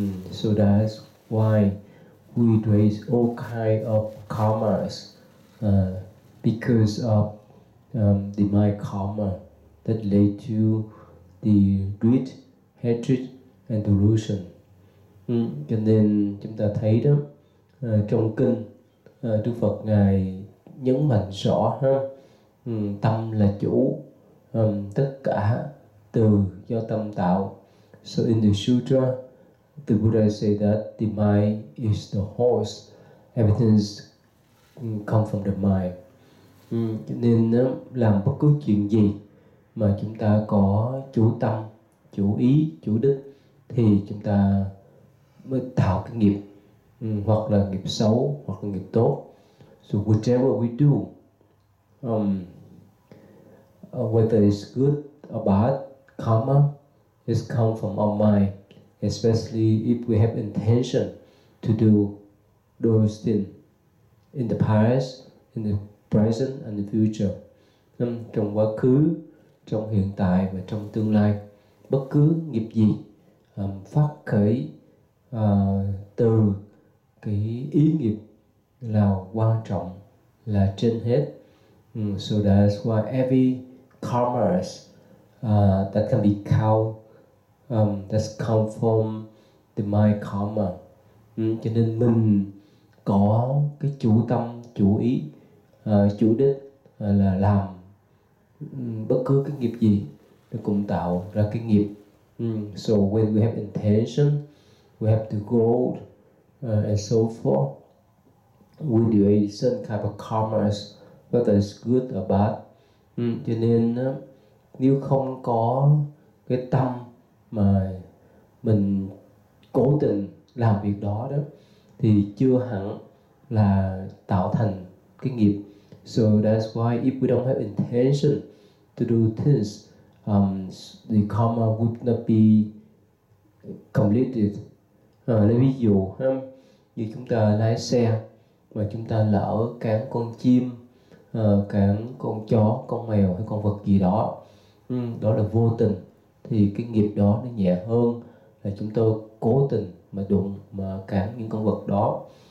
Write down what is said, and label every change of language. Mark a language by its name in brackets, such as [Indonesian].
[English] So that's why we raise all kind of karmas because of the mind karma that lead to the greed, hatred, and delusion. [Vietnamese] Cho nên chúng ta thấy đó, trong kinh Đức Phật Ngài nhấn mạnh rõ ha, tâm là chủ, tất cả từ do tâm tạo. [English] So in the sutra, the Buddha say that the mind is the horse, everything is come from the mind. [Vietnamese] Cho nên làm bất cứ chuyện gì mà chúng ta có chủ tâm, chủ ý, chủ đức thì chúng ta mới tạo cái nghiệp, hoặc là nghiệp xấu hoặc là nghiệp tốt. [English] So whatever we do, whether it's good or bad, karma is come from our mind. Especially if we have intention to do those things in the past, in the present, and the future, [Vietnamese] trong quá khứ, trong hiện tại và trong tương lai, bất cứ nghiệp gì phát khởi từ cái ý nghiệp là quan trọng, là trên hết. [English] So that's why every karma that can be counted, that's come from the mind karma. [Vietnamese] Cho nên mình có cái chủ tâm, chủ ý, chủ đích là làm bất cứ cái nghiệp gì nó cũng tạo ra cái nghiệp. [English] So when we have intention, we have the goal, and so forth, we do a certain type of karma, whether it's good or bad. [Vietnamese] Cho nên nếu không có cái tâm mà mình cố tình làm việc đó đó thì chưa hẳn là tạo thành cái nghiệp. [English] So that's why if we don't have intention to do things, the karma would not be completed. [Vietnamese] Lấy ví dụ ha, như chúng ta lái xe mà chúng ta lỡ cán con chim, cán con chó, con mèo hay con vật gì đó, đó là vô tình, thì cái nghiệp đó nó nhẹ hơn là chúng tôi cố tình mà đụng, mà cản những con vật đó.